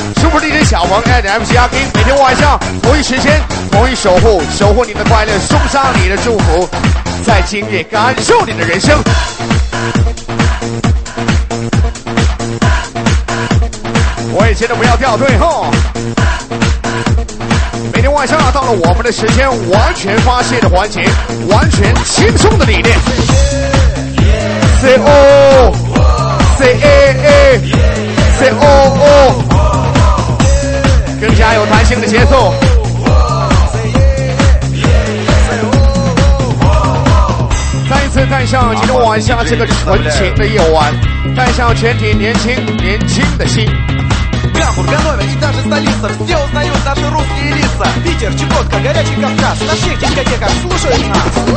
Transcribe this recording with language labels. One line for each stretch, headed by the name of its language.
Chinese: Super DJ 小王 and MC 阿斌，每天晚上同一时间同一守护，守护你的快乐，送上你的祝福，在今夜感受你的人生。我也接着不要掉队哈。每天晚上到了我们的时间，完全发泄的环节，完全轻松的理念。 C O C A A C O O， 更加有弹性的节奏。再一次带上今天晚上这个纯情的夜晚，带上全体年轻年轻的心。
Russian: Гамбурга номер и даже столица, все узнают наши русские лица. Питер, Чукотка, горячий Кавказ, на всех дискотеках слушают нас.